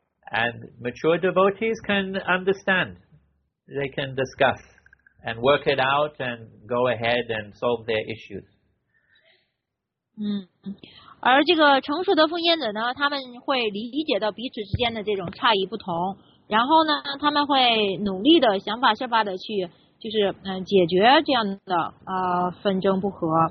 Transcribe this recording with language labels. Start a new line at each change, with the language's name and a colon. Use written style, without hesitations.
English: And mature devotees can understand. They can discuss and work it out and go ahead and solve their issues.
Chinese: 而这个成熟的奉献者呢，他们会理解到彼此之间的这种差异不同，然后呢，他们会努力的想法设法的去就是解决这样的纷争不和。